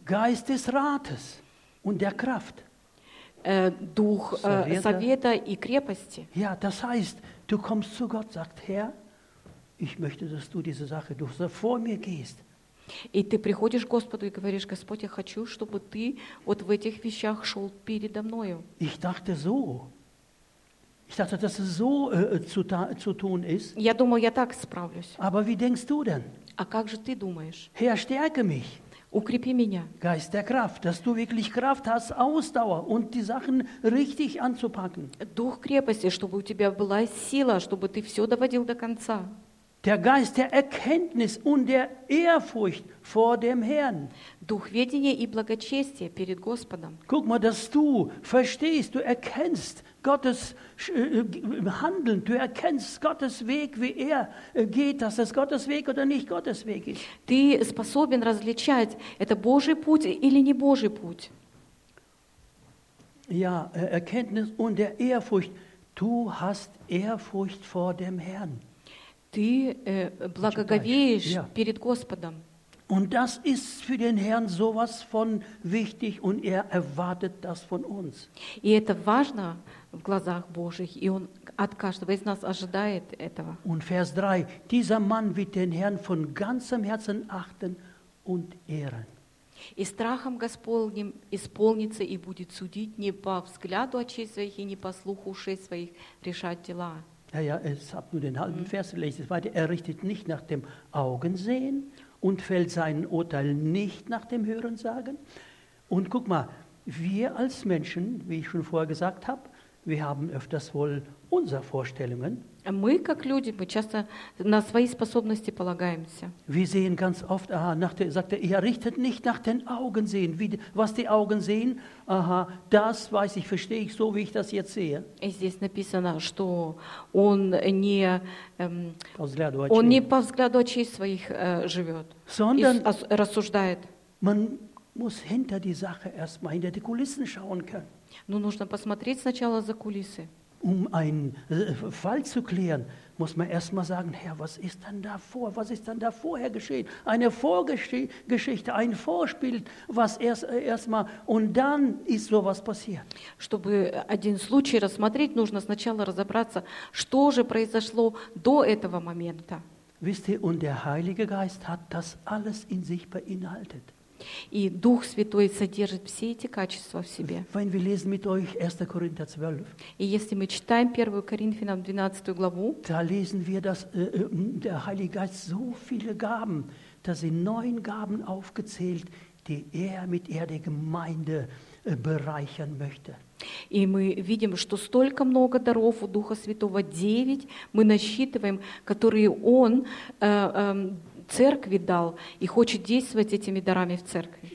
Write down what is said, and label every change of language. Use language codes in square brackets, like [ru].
[de] Geist des Rates und der Kraft. [ru] Дух совета и крепости. [de] Ja, das heißt, du kommst zu Gott, sagt Herr, ich möchte, dass du diese Sache, du so vor mir gehst. [ru] И ты приходишь к Господу и говоришь, Господь, я хочу, чтобы ты вот в этих вещах шел передо мною. [de] Ich dachte so. Ich dachte, dass es so zu tun ist. [ru] Я думал, я так справлюсь. [de] Aber wie denkst du denn? [ru] А как же ты думаешь? [de] Herr, stärke mich. [ru] Укрепи меня. [de] Geist der Kraft, dass du wirklich Kraft hast, Ausdauer und die Sachen richtig anzupacken. [ru] Дух крепости, чтобы у тебя была сила, чтобы ты все доводил до конца. [de] Der Geist der Erkenntnis und der Ehrfurcht vor dem Herrn. [ru] Дух ведения и благочестия перед Господом. [de] Guck mal, dass du verstehst, du erkennst Gottes Handeln, du erkennst Gottes Weg, wie er geht, dass es Gottes Weg oder nicht Gottes Weg ist. [ru] Ты способен различать, это Божий путь или не Божий путь. [de] Ja, Erkenntnis und der Ehrfurcht. Du hast Ehrfurcht vor dem Herrn. [ru] Ты благоговеешь [en] yeah. [ru] перед Господом. [de] Und das ist für den Herrn sowas von wichtig und er erwartet das von uns. [ru] И это важно в глазах Божьих, и он от каждого из нас ожидает этого. [de] Und Vers 3, dieser Mann wird den Herrn von ganzem Herzen achten und ehren. [ru] И страхом Господним исполнится и будет судить не по взгляду очей своих и не по слуху ушей своих решать дела. [de] Ja, ja, ich habe nur den halben Vers gelesen. Weiter, er richtet nicht nach dem Augensehen und fällt sein Urteil nicht nach dem Hörensagen. Und guck mal, wir als Menschen, wie ich schon vorher gesagt habe, Wir haben öfters wohl unsere Vorstellungen. [ru] Мы как люди, мы часто на свои способности полагаемся. [de] Wir sehen ganz oft, aha, nach der, sagt er, ihr richtet nicht nach den Augen sehen, wie, was die Augen sehen, aha, das weiß ich, verstehe ich so, wie ich das jetzt sehe. [ru] И здесь написано, что он не по взгляду очей своих живет, [de] sondern [ru] рассуждает. [de] Man muss hinter die Sache erstmal hinter die Kulissen schauen können. [ru] Но нужно посмотреть сначала за кулисы. [de] Einen Fall zu klären, muss man erst mal sagen, Herr, was ist denn da vor? Was ist denn da vorher geschehen? Eine Vorgeschichte, ein Vorspiel, was erst mal, und dann ist sowas passiert. [ru] Чтобы один случай рассмотреть, нужно сначала разобраться, что же произошло до этого момента. [de] Wisst ihr, und der Heilige Geist hat das alles in sich beinhaltet. [ru] И Дух Святой содержит все эти качества в себе. [de] Wenn wir lesen mit euch 1. Korinther 12, [ru] и если мы читаем 1 Коринфянам 12 главу, [de] da lesen wir, dass der Heilige Geist so viele Gaben, da sind 9 Gaben aufgezählt, die mit der Gemeinde bereichern möchte. [ru] И мы видим, что столько много даров у Духа Святого, 9 мы насчитываем, которые Он Церкви дал и хочет действовать этими дарами в церкви.